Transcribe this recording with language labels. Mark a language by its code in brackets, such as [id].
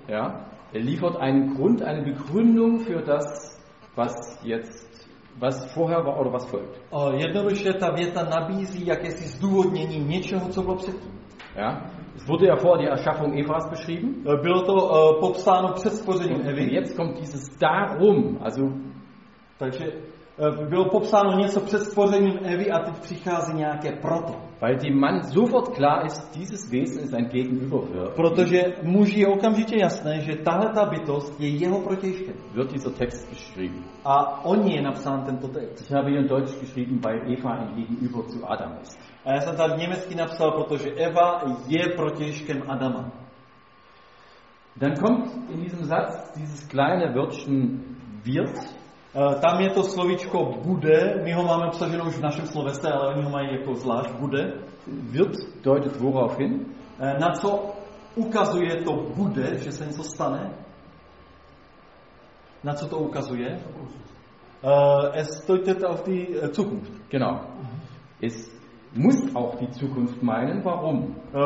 [de] Ja, er liefert einen Grund, eine Begründung für das, was jetzt, was vorher war oder was folgt. [cs] Jednoduše ta věta nabízí jakési zdůvodnění něčeho, co bylo předtím. [de] Ja, es wurde ja vor die Erschaffung Evas beschrieben. [cs] Bylo to popsáno před stvořením Evy. [de] Jetzt kommt dieses darum, also [cs] takže bylo popsáno něco před stvořením Evy a teď přichází nějaké proto. [de] Weil dem Mann sofort klar ist, dieses Wesen ist ein Gegenüber. [cs] Protože muž je okamžitě jasné, že tahle ta bytost je jeho protějškem. [de] Wird dieser Text geschrieben. [cs] A on je napsán tento text. [de] Ich habe ihn in Deutsch geschrieben, weil Eva ein Gegenüber zu Adam ist. [cs] A já jsem tam německy napsal, protože Eva je protějškem Adama. [de] Dann kommt in diesem Satz dieses kleine Wörtchen wird. [cs] Tam je to slovíčko bude, my ho máme obsaženo už v našem slovese, ale oni ho mají jako zvlášť bude. [de] Wird deutet worauf hin? [cs] Na co ukazuje to bude, že se něco stane? Na co to ukazuje? [de] Es deutet auf die Zukunft. Genau. Es muss auch die Zukunft meinen, warum?